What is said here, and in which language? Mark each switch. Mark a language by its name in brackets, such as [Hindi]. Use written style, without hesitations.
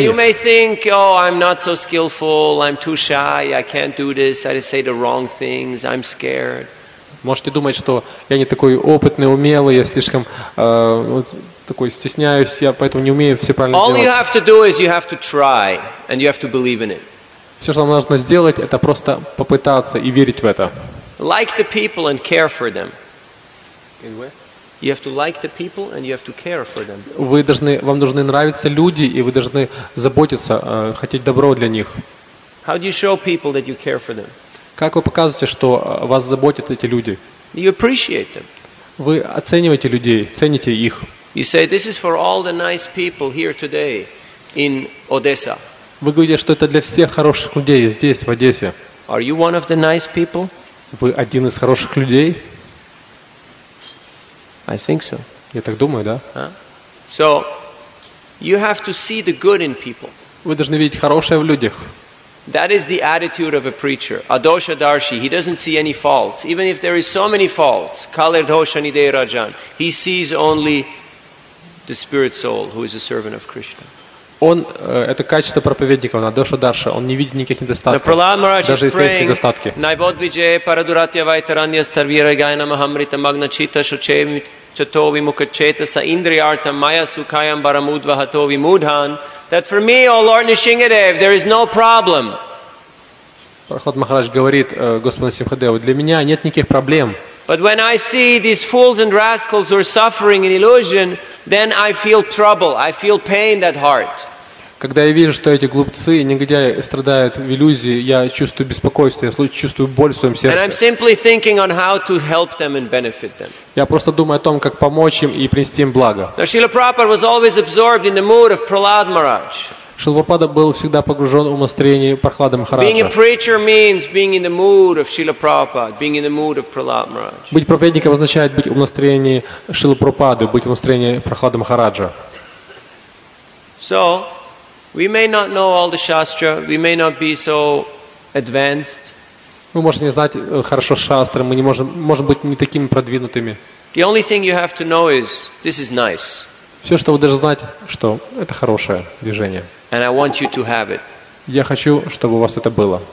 [English] Now you may think, oh, I'm not so skillful, I'm too shy, I can't do this, I just say the wrong things, I'm scared. [Russian] Можете думать, что я не такой опытный, умелый, я слишком такой стесняюсь, я поэтому не умею все правильно [English] All [Russian] делать. [English] You have to do is you have to try, and you have to believe in it. [Russian] Все, что вам нужно сделать, это просто попытаться и верить в это. [English] Like the people and care for them. In what? You have to like the people and you have to care for them. [Russian] Вы должны, вам должны нравиться люди, и вы должны заботиться, хотеть добро для них. [English] How do you show people that you care for them? [Russian] Как вы показываете, что вас заботят эти люди? [English] You appreciate them. [Russian] Вы оцениваете людей, цените их. [English] You say, this is for all the nice people here today in Odessa. [Russian] Вы говорите, что это для всех хороших людей здесь, в Одессе. [English] Are you one of the nice people? [Russian] Вы один из хороших людей? [English] I think so. [Russian] Я так думаю, да? [English] So, You have to see the good in people. [Russian] Вы должны видеть хорошее в людях. [English] That is the attitude of a preacher. Adosha Darshi, he doesn't see any faults. Even if there is so many faults, [Sanskrit] Kaler Dosha Nidei Rajan, [English] he sees only the spirit soul who is a servant of Krishna. [Russian] Он, это качество проповедника, он Адоша Дарша, он не видит никаких недостатков, даже если есть недостатки. [English] That for me, O Lord Nishingadev, there is no problem. [Russian] Прохлад Махарадж говорит Господу Симхадеву, для меня нет никаких проблем. [English] But when I see these fools and rascals who are suffering in illusion, then I feel trouble, I feel pain at heart. [Russian] Когда я вижу, что эти глупцы и негодяи страдают в иллюзии, я чувствую беспокойство, я чувствую боль в своем сердце. [English] And I'm simply thinking on how to help them and benefit them. [Russian] Я просто думаю о том, как помочь им и принести им благо. [English] Now, Srila Prabhupada was always absorbed in the mood of Prahlad Maharaj. [Russian] Srila Prabhupada был всегда погружен в умонастроение Прахлады Махараджа. [English] Being a preacher means being in the mood of Srila Prabhupada, being in the mood of Prahlad Maharaj. [Russian] Быть проповедником означает быть в умонастроении Шрилы Прабхупады, быть в умонастроении Прахлады Махараджа. [English] So, we may not know all the shastra, we may not be so advanced. [Russian] Мы можем не знать хорошо шастры, мы не можем, может быть, не такими продвинутыми. [English] The only thing you have to know is this is nice. [Russian] Все, что вы должны знать, что это хорошее движение. [English] And I want you to have it. [Russian] Я хочу, чтобы у вас это было.